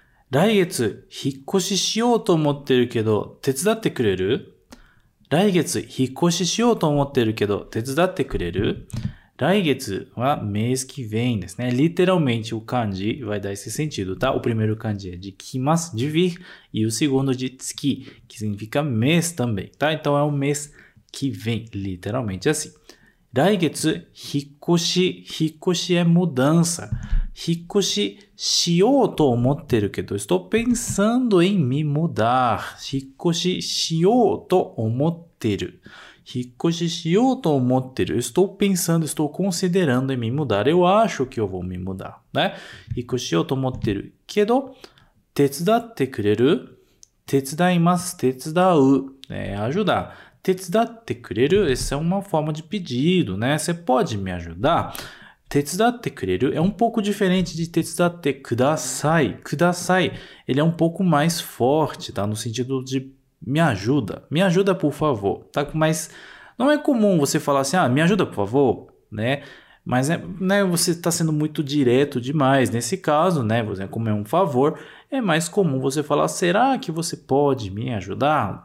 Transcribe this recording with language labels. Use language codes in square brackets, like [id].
[ja] 来月、引っ越ししようと思ってるけど、手伝ってくれる？来月引っ越ししようと思ってるけど手伝ってくれる？来月は名付き vem ですね。 [pt] Literalmente o kanji vai dar esse sentido, tá? O primeiro kanji é de que mas, de vir, e o segundo de tsuki, que significa mês também, tá? Então é o mês que vem, literalmente assim. [ja] 来月引っ越し、引っ越しは mudança。引っ越ししようと思ってるけど、 [pt] estou pensando em me mudar。 [ja] 引っ越ししようと思ってる。引っ越ししようと思ってる。 [pt] estou pensando, estou considerando em me mudar. Eu acho que eu vou me mudar, né? [ja] 引っ越ししようと思ってるけど、手伝ってくれる？手伝います。手伝う。ね、ajudar。手伝ってくれる？ [pt] essa é uma forma de pedido, né? Você pode me ajudar? [ja] 手伝ってくれる [pt] é um pouco diferente de [ja] 手伝ってください。ください。 [pt] Ele é um pouco mais forte, tá? No sentido de me ajuda. Me ajuda, por favor. Tá? Mas não é comum você falar assim, ah, me ajuda, por favor, né? Mas é, né, você está sendo muito direto demais. Nesse caso, né, como é um favor, é mais comum você falar, será que você pode me ajudar?